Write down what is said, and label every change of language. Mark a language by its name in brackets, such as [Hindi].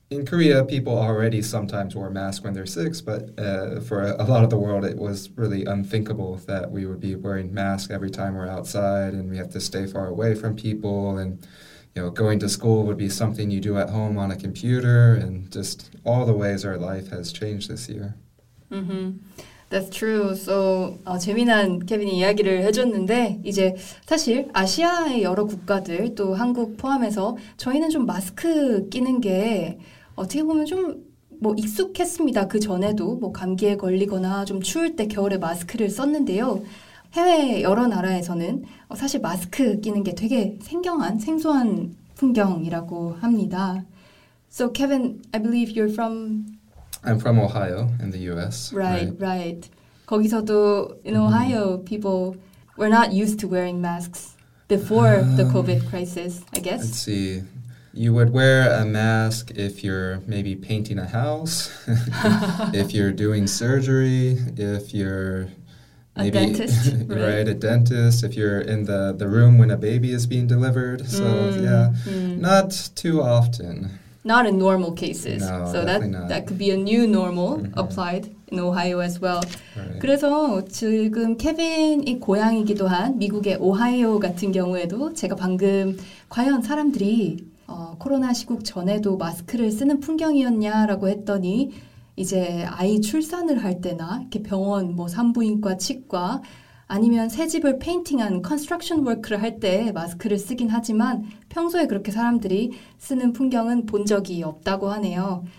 [English] In Korea, people already sometimes wear masks when they're sick, but for a lot of the world, it was really unthinkable that we would be wearing masks every time we're outside and we have to stay far away from people. And, you know, going to school would be something you do at home on a computer. And just all the ways our life has changed this year. Mm-hmm. That's true. [Korean] So, 재미난 케빈이 이야기를 해줬는데 이제 사실 아시아의 여러 국가들 또 한국 포함해서 저희는 좀 마스크 끼는 게 어떻게 보면 좀 뭐 익숙했습니다. 그 전에도 뭐 감기에 걸리거나 좀 추울 때 겨울에 마스크를 썼는데요. 해외 여러 나라에서는 사실 마스크 끼는 게 되게 생경한 생소한 풍경이라고 합니다. [English] So, Kevin, I believe you're from... I'm from Ohio in the U.S. Right. [Korean] 거기서도 [English] in Ohio, mm-hmm. people were not used to wearing masks before the COVID crisis, I guess. Let's see. You would wear a mask if you're maybe painting a house, if you're doing surgery, if you're maybe... A dentist. right, a dentist. If you're in the room when a baby is being delivered. So, not too often. Not in normal cases. No, so that could be a new normal mm-hmm. applied in Ohio as well. Right. [Korean] 그래서 지금 케빈이 고향이기도 한 미국의 오하이오 같은 경우에도 제가 방금 과연 사람들이 코로나 시국 전에도 마스크를 쓰는 풍경이었냐라고 했더니 이제 아이 출산을 할 때나 이렇게 병원 뭐 산부인과 치과 아니면 새 집을 페인팅한 컨스트럭션 워크를 할 때 마스크를 쓰긴 하지만 평소에 그렇게 사람들이 쓰는 풍경은 본 적이 없다고 하네요.